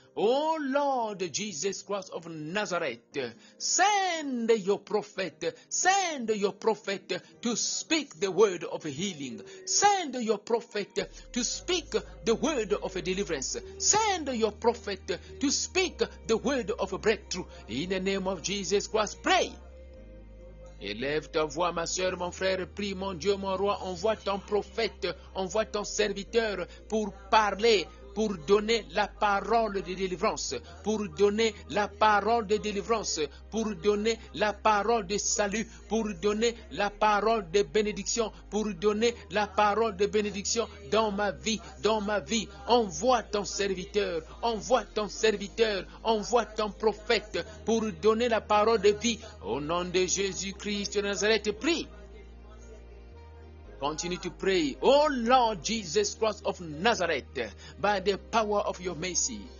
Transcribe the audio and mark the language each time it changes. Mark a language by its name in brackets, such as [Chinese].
[English] Oh Lord Jesus Christ of Nazareth, send your prophet to speak the word of healing. Send your prophet to speak the word of deliverance. Send your prophet to speak the word of breakthrough. In the name of Jesus Christ, pray. [French] Élève ta voix, ma sœur, mon frère, prie, mon Dieu, mon roi, envoie ton prophète, envoie ton serviteur pour parler, pour donner la parole de délivrance, pour donner la parole de délivrance, pour donner la parole de salut, pour donner la parole de bénédiction, pour donner la parole de bénédiction dans ma vie, envoie ton serviteur, envoie ton prophète pour donner la parole de vie. Au nom de Jésus-Christ de Nazareth, prie. [English] Continue to pray. Oh Lord Jesus Christ of Nazareth, by the power of your mercy,